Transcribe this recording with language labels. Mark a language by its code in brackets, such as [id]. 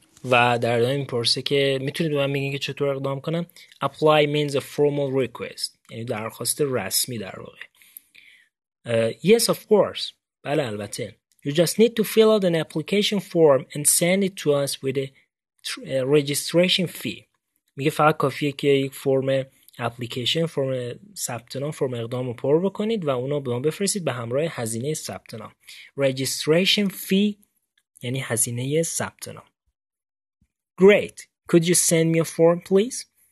[fa] و در ادامه میپرسه که میتونید به من بگین که چطور اقدام کنم. [en] Apply means a formal request، [fa] یعنی درخواست رسمی در واقع. [en] Yes of course، [fa] بله البته. [en] You just need to fill out an application form and send it to us with a registration fee. [fa] میگه فقط کافیه که یک فرم اپلیکیشن، فرم ثبت نام، فرم اقدام رو پر بکنید و اونو به ما بفرستید به همراه هزینه ثبت نام. [en] Registration fee [fa] یعنی هزینه ثبت نام. [en] Great. Could you send me a form please?